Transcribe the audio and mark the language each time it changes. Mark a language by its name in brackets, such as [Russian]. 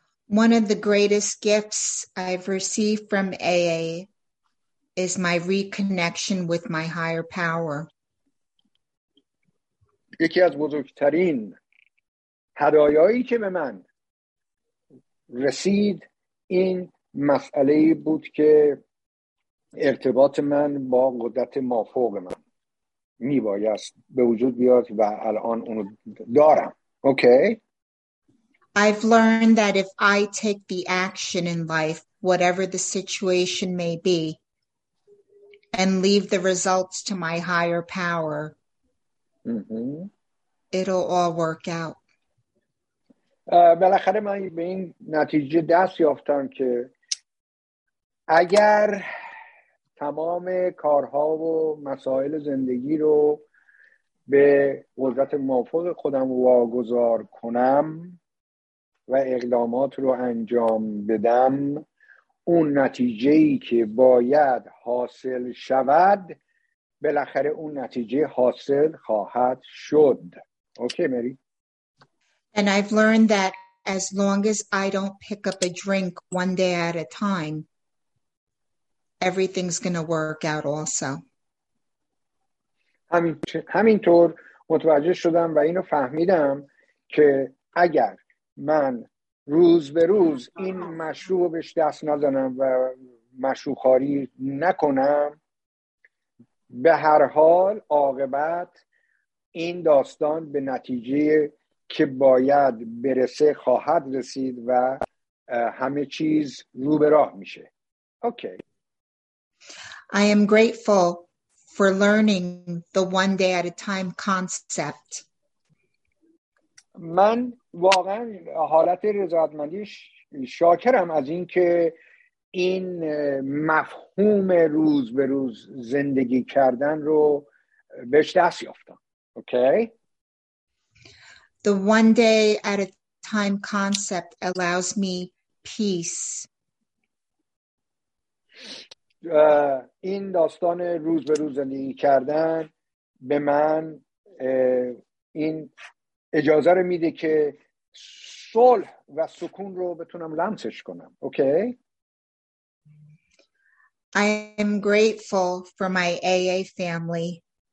[English] One of the greatest gifts I've received from AA is my reconnection with my higher power. [Persian] یکی از بزرگترین هدایایی که به من رسید این مسئله بود که ارتباط من با قدرت مافوق من میبایست به وجود بیاد و الان اونو دارم. [English] Okay? I've learned that if I take the action in life, whatever the situation may be, and leave the results to my higher power, it'll all work out. [Persian] بالاخره من به این نتیجه دست یافتم که اگر تمام کارها و مسائل زندگی رو به قدرت موفق خودم واگذار کنم و اقدامات رو انجام بدم، اون نتیجه‌ای که باید حاصل شود بالاخره اون نتیجه حاصل خواهد شد. [English] Okay Mary? And I've learned that as long as I don't pick up a drink one day at a time, everything's going to work out also. [Persian] همینطور متوجه شدم و اینو فهمیدم که اگر من روز به روز این مشروب رو بهش دست نزنم و مشروب خاری نکنم، به هر حال عاقبت این داستان به نتیجه که باید برسه خواهد رسید و همه چیز رو به راه میشه. [English] Okay. I am grateful for learning the one day at a time concept. [Persian] من واقعا حالت رضایتمندی شاکرم از این که این مفهوم روز به روز زندگی کردن رو بهش دست یافتم. [English] Okay? The one day at a time concept allows me peace. [Persian] این داستان روز به روز زندگی کردن به من این اجازه رو میده که صلح و سکون رو بتونم لمسش کنم. [English] Okay? I am grateful for my AA family.